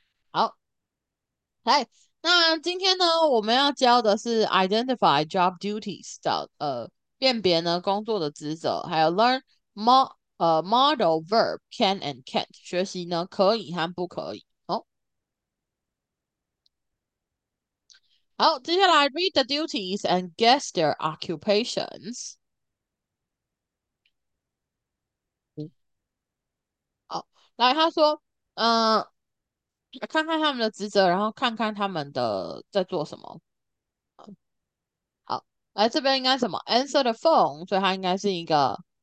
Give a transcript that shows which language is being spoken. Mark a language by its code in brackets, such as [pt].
[zh] 好，来，那今天呢，我们要教的是 [en] identify job duties [zh] 的辨别呢工作的职责，还有 [en] learn model verb can and can't [zh] 学习呢可以和不可以。好，接下来 [en] read the duties and guess their occupations。 [zh] 来，他说，看看他们的职责，然后看看他们的在做什么。好，来这边应该什么？ [en] Answer the phone， [zh] 所以他应该是一个，